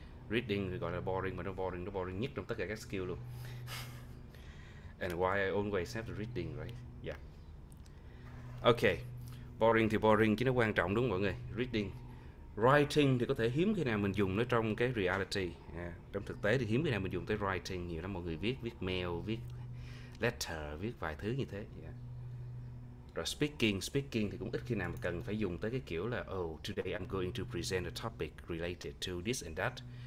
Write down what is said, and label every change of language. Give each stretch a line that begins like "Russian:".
Vietnamese: Reading thì gọi là boring, mà nó boring nhất trong tất cả các skill luôn.
English: And why I always have the reading, right? Yeah. Okay.
Vietnamese: Boring thì boring chứ nó quan trọng đúng không mọi người? Reading. Writing thì có thể hiếm khi nào mình dùng nó trong cái reality. Yeah. Trong thực tế thì hiếm khi nào mình dùng tới writing. Nhiều lắm mọi người viết, viết mail, viết letter, viết vài thứ như thế. Yeah. Rồi speaking, speaking thì cũng ít khi nào mà cần phải dùng tới cái kiểu là
English: oh, today I'm going to present a topic related to this and that.